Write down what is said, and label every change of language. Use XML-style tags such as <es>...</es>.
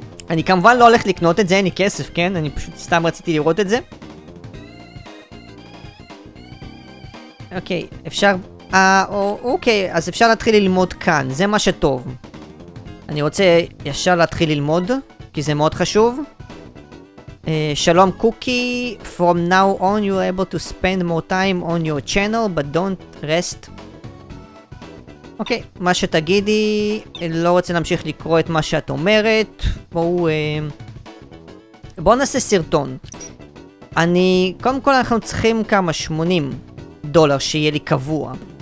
<he>אני כמובן לא הולך לקנות את זה, אין לי כסף, כן? אני פשוט סתם רציתי לראות את זה. אוקיי, אפשר... אוקיי, אז אפשר להתחיל ללמוד כאן, זה מה שטוב. אני רוצה ישר להתחיל ללמוד, כי זה מאוד חשוב. שלום</he> <en>קוקי, from now on you're able to spend more time on your channel, but don't rest.</en> <he>אוקיי, מה שתגידי, לא רוצה להמשיך לקרוא את מה שאת אומרת. בואו נעשה סרטון. אני, קודם כל אנחנו צריכים כמה, 80 דולר שיהיה לי קבוע.</he>